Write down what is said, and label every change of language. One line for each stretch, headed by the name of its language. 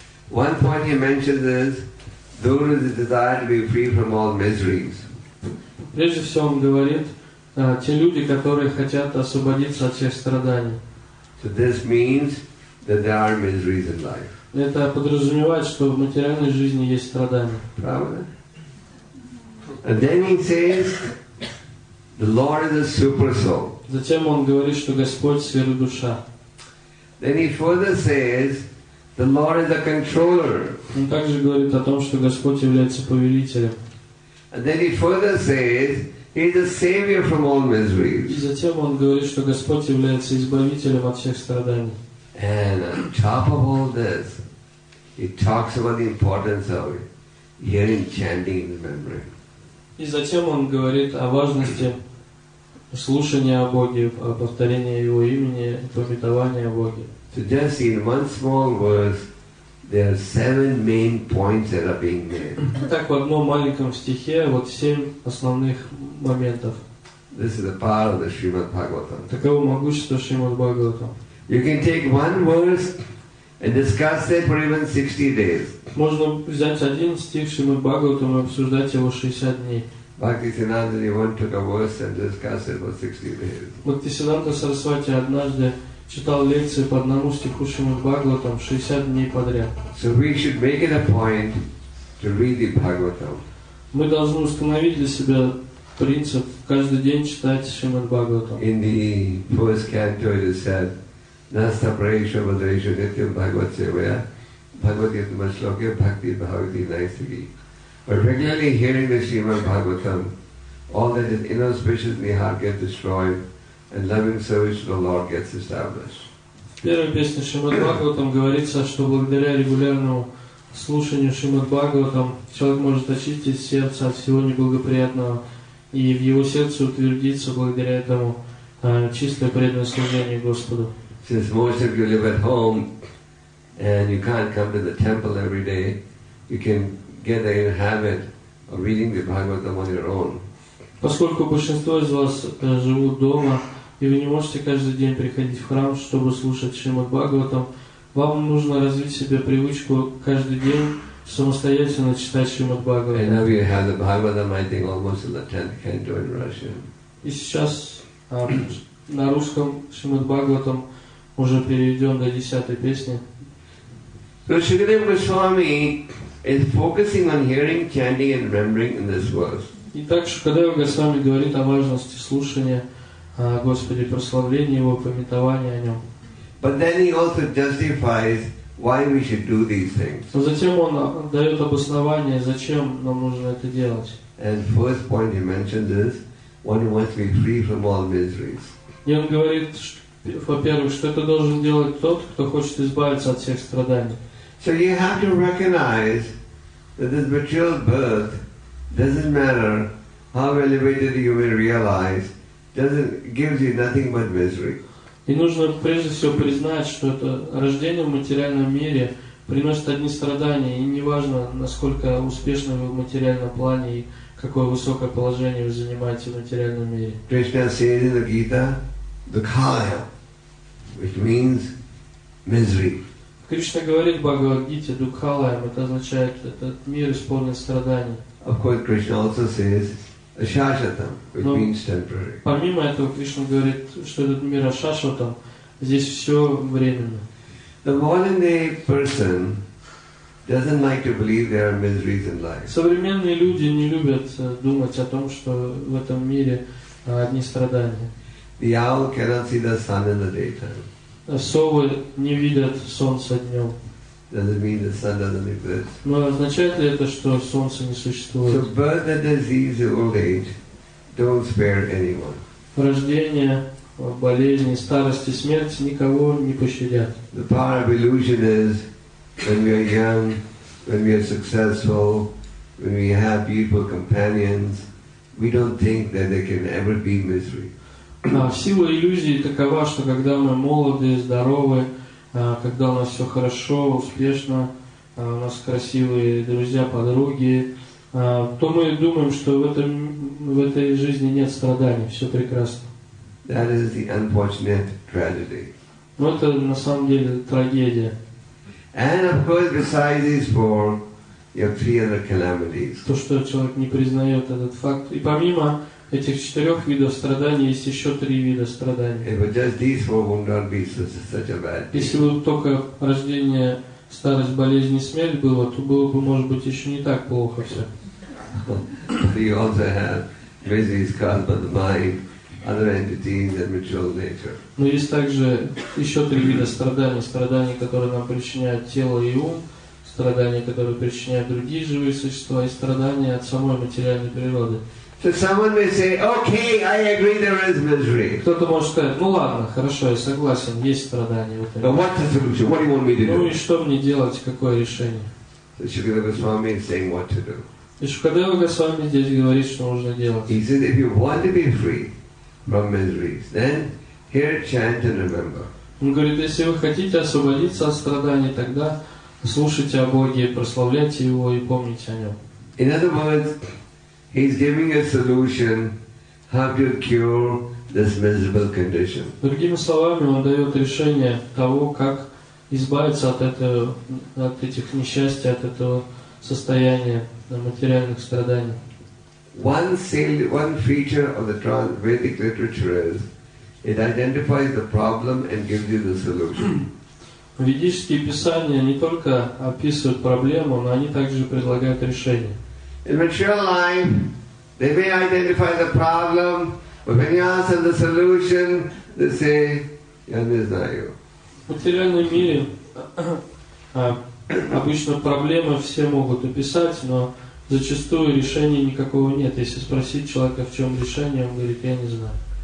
English: One point he mentions is there is a desire to be free from all miseries.
Russian: Прежде всего он говорит, те люди, которые хотят освободиться от всех страданий.
English: So this means that there are miseries in life.
Russian: Это подразумевает, что в материальной жизни есть страдания. Правда?
English: And then he says the Lord is a super soul.
Russian: Затем он говорит, что Господь сверхдуша.
English: Then he further says the Lord is a controller.
Russian: Он также говорит о том, что Господь является повелителем.
English: And then he further says he is a savior from all miseries.
Russian: И затем он говорит, что Господь является избавителем от всех страданий.
English: And on top of all this, he talks about the importance of hearing chanting and remembering.
Russian: И затем он говорит о важности слушания о Боге, о повторении Его имени, пометовании о Боге.
English: So just in one small verse, there are seven main points that are being made.
Russian: Так в одном маленьком стихе вот семь основных моментов.
English: This is the power of the Srimad Bhagavatam.
Russian: Таково могущество Шримад Бхагаватам.
English: You can take one verse and discuss it for even 60 days.
Russian: Можно взять один стих Шримад Бхагаватам и обсуждать его 60 дней.
English: Bhaktisiddhanta once took a verse and discussed it for 60 days.
Russian: Bhaktisiddhanta Saraswati однажды читал лекции по одному стиху Шримад Бхагаватам 60 дней подряд.
English: So we should make it a point to read the Bhagavatam.
Russian: Мы должны установить для себя принцип каждый день читать Шримад Бхагаватам.
English: In the first canto it is said,
Sanskrit: Nasta Praesha Vadresha Nityam Bhagavat Sevaya Bhagavatyat Maslokya Bhakti Bhavati Naisthiki.
English: By regularly hearing the Srimad Bhagavatam, all that is inauspicious in the heart gets destroyed, and loving service to the Lord gets established.
Russian: В первой песне Шримад Бхагаватам говорится, что благодаря регулярному слушанию Шримад Бхагаватам человек может очистить сердце от всего неблагоприятного, и в его сердце утвердиться благодаря этому чистое преданное служение Господу.
English: Since most of you live at home and you can't come to the temple every day, you can get a habit of reading the Bhagavatam on your own.
Russian: Поскольку большинство из вас живут дома и вы не можете каждый день приходить в храм, чтобы слушать Шримад Бхагаватам, вам нужно развить себе привычку каждый день самостоятельно читать Шримад Бхагаватам.
English: And now you have the Bhagavatam, I think, almost in the 10th canto in Russian.
Russian: И сейчас на русском Шримад Бхагаватам уже переведен до 10-й песни.
English: So Shukadeva Goswami is focusing on hearing, chanting, and remembering in this verse.
Russian: Итак, Шукадева Госвами говорит о важности слушания Господи, прославления Его, памятования о Нем.
English: But then he also justifies why we should do these things.
Russian: Но затем он дает обоснование, зачем нам нужно это делать.
English: And first point he mentions is one who wants to be free from all miseries.
Russian: И он говорит, во-первых, что это должен делать тот, кто хочет избавиться от всех страданий.
English: So you have to recognize that this material birth doesn't matter how elevated you may realize, doesn't gives you nothing but misery.
Russian: И нужно прежде всего признать, что это рождение в материальном мире приносит одни страдания, и неважно, насколько успешны вы в материальном плане и какое высокое положение вы занимаете в материальном мире.
English: Кришна says in the Gita, Dukhaya, which means misery.
Russian: Кришна говорит в Бхагавад-гите, Дукхалаям, это означает этот мир исполнен страданий.
English: Of course, Krishna also says, Ашашатам, which means temporary.
Russian: Помимо этого, Кришна говорит, что этот мир Ашашатам, здесь все временно.
English: The modern day person doesn't like to believe there are miseries in life.
Russian: Современные люди не любят думать о том, что в этом мире одни страдания.
English: The owl cannot see the sun in the daytime.
Russian: Совы не видят солнца днем.
English: Does it mean the sun doesn't exist?
Russian: Но означает ли это, что солнце не существует?
English: So birth and disease and old age don't spare anyone.
Russian: Рождение, болезни, старость и смерть никого не пощадят.
English: The power of illusion is when we are young, when we are successful, when we have beautiful companions, we don't think that there can ever be misery.
Russian: Сила иллюзии такова, что когда мы молоды, здоровы, когда у нас все хорошо, успешно, у нас красивые друзья, подруги, то мы думаем, что в этой жизни нет страданий, все прекрасно.
English: That is the unfortunate tragedy.
Russian: Но это на самом деле трагедия.
English: And of course, besides these four, you have three other calamities.
Russian: То, что человек не признает этот факт. И помимо этих четырех видов страданий есть еще три вида страданий.
English: If just these four would not be such a bad thing.
Russian: Если бы только рождение, старость, болезнь и смерть было, то было бы, может быть, еще не так плохо все.
English: But you also have miseries caused by the mind. Other entities and material nature.
Russian: Но есть также еще три вида страданий. Страдания, которые нам причиняют тело и ум, страдания, которые причиняют другие живые существа, и страдания от самой материальной природы.
English: So someone may say, okay, I agree there is misery.
Russian: Кто-то может сказать, ну ладно, хорошо, я согласен, есть страдания.
English: But what's the solution? What do you want me to do?
Russian: Ну и что мне делать, какое решение?
English: So Shukadeva Goswami is saying what to do.
Russian: И Шукадева Госвами здесь говорит, что нужно делать.
English: He says, if you want to be free, from miseries. Then hear, chant, and remember.
Russian: Он говорит, если вы хотите освободиться от страданий, тогда слушайте о Боге, прославляйте Его и помните о Нем.
English: In other words, he's giving a solution how to cure this miserable condition.
Russian: Другими словами, он дает решение того, как избавиться от этих несчастий, от этого состояния материальных страданий.
English: One feature of the Vedic literature is it identifies the problem and gives you the solution.
Russian: Ведические писания не только описывают проблему, но они также предлагают решение.
English: In material life, they may identify the problem, but when you ask them the solution, they say,
Russian: "Я не знаю." В материальном мире обычно проблемы все могут описать, но зачастую решения никакого нет. Если спросить человека, в чем решение, он говорит, я не знаю.